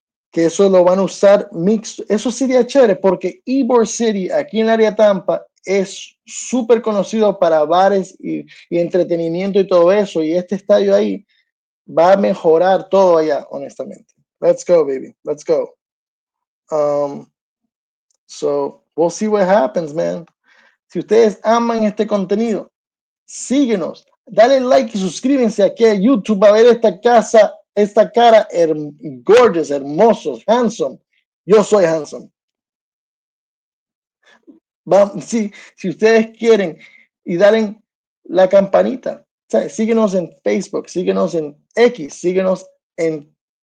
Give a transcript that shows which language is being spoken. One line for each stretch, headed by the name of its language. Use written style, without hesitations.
Spanish: Que eso lo van a usar mixto. Eso sería chévere porque Ybor City, aquí en el área Tampa, es súper conocido para bares y entretenimiento y todo eso. Y este estadio ahí va a mejorar todo allá, honestamente.
English: Let's go, baby. Let's go. So, we'll see what happens, man.
Spanish: Si ustedes aman este contenido, síguenos. Dale like y suscríbanse aquí a YouTube a ver esta casa. Esta cara, gorgeous, hermosos, handsome. Yo soy handsome. Si ustedes quieren y darle la campanita, ¿sabes? Síguenos en Facebook, síguenos en X, síguenos en